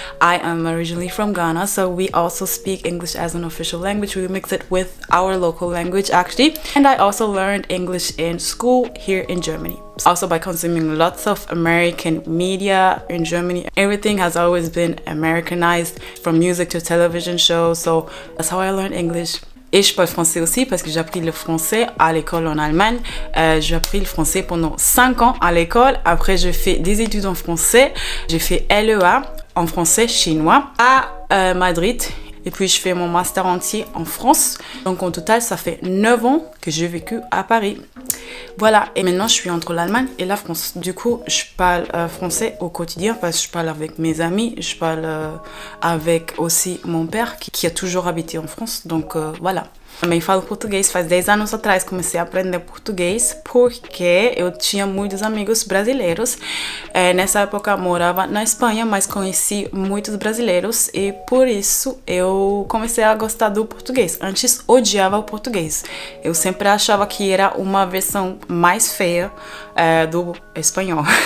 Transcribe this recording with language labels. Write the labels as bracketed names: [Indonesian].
[English] I am originally from Ghana, so we also speak English as an official language. We mix it with our local language, actually. And I also learned English in school here in Germany. Also by consuming lots of American media in Germany. Everything has always been Americanized, from music to television shows. So that's how I learned English. [French] Et je parle français aussi parce que j'ai appris le français à l'école en Allemagne. J'ai appris le français pendant 5 ans à l'école. Après, j'ai fait des études en français. J'ai fait LEA en français chinois à Madrid. Et puis, je fais mon master entier en France. Donc, en total, ça fait 9 ans que j'ai vécu à Paris. Voilà, et maintenant je suis entre l'Allemagne et la France. Du coup, je parle français au quotidien parce que je parle avec mes amis, je parle avec aussi mon père qui a toujours habité en France. Donc voilà. [Portuguese] Também falo português. Faz 10 anos atrás comecei a aprender português porque eu tinha muitos amigos brasileiros. Nessa época morava na Espanha, mas conheci muitos brasileiros e por isso eu comecei a gostar do português. Antes odiava o português. Eu sempre achava que era uma versão mais feia do espanhol.